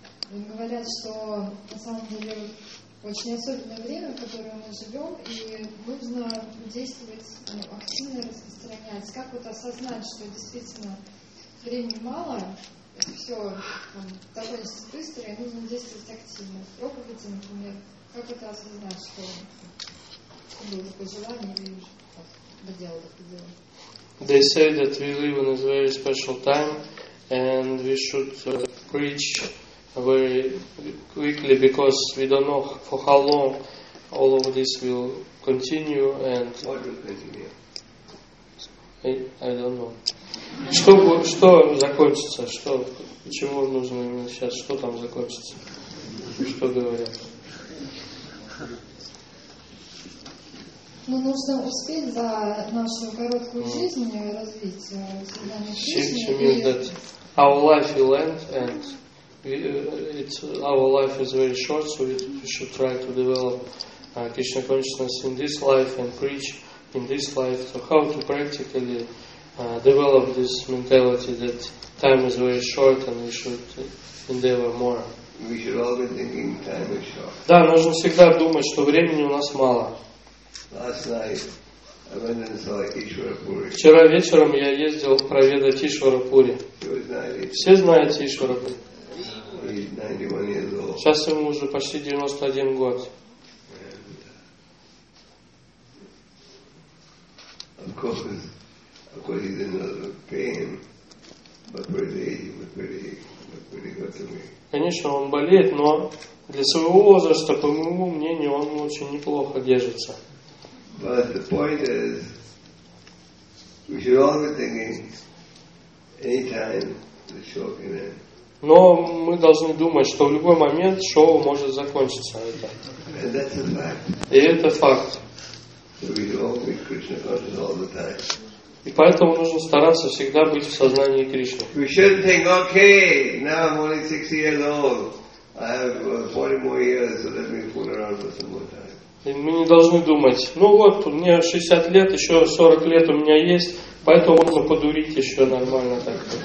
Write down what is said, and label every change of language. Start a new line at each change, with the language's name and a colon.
Russian: Говорят, что на самом деле очень особенное время, в которое мы живем, и нужно действовать, активно распространять. Как вот осознать, что действительно времени мало, все довольно быстро, и нужно действовать активно. В проповеди, например, как это осознать, что было пожелание или доделать.
English: They say that we live in a very special time and we should preach very quickly because we don't know for how long all of this will continue. And what will continue? I don't know.
Russian: Что закончится? Что? Почему нужно именно сейчас? Что там закончится? Что говорят? Ну, нужно успеть за нашу короткую жизнь и развитие создания жизни.
English: Means that our life will end and it's, our life is very short, so we should try to develop Krishna consciousness in this life and preach in this life. So how to practically develop this mentality that time is very short and we should endeavor more. We should all be thinking time is short.
Russian: Да, нужно всегда думать, что времени у нас мало.
English: Last night I went and saw Ishwara Puri.
Russian: Вчера вечером я ездил проведать Ишвара Пури. Все знают Ишвара Пури. Сейчас ему уже почти 91 год.
English: Of course he's in a lot of pain, but pretty good to me.
Russian: Конечно, он болеет, но для своего возраста, по моему мнению, он очень неплохо держится.
English: But the point is, we should all be thinking anytime the show can end.
Russian: Но мы должны думать, что в любой момент шоу может закончиться. Это.
English: And that's a fact.
Russian: И это факт.
English: So we should all be Krishna conscious all the time.
Russian: И поэтому нужно стараться всегда быть в сознании Кришны.
English: We shouldn't think, okay, now I'm only 60 years old. I have 40 more years, so let me fool around for some more time.
Russian: И мы не должны думать, ну вот, мне 60 лет, еще 40 лет у меня есть, поэтому можно подурить еще нормально так.